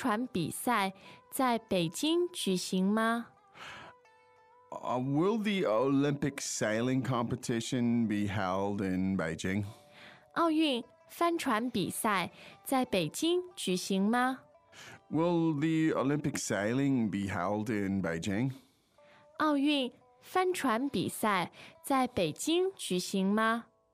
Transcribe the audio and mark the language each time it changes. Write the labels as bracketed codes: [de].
[zh] 好。奥运帆船比赛在北京举行吗? [en] Will the Olympic sailing competition be held in Beijing? [zh] 奥运帆船比赛在北京举行吗? [en] Will the Olympic sailing be held in Beijing? [zh] 奥运 帆船比赛在北京举行吗?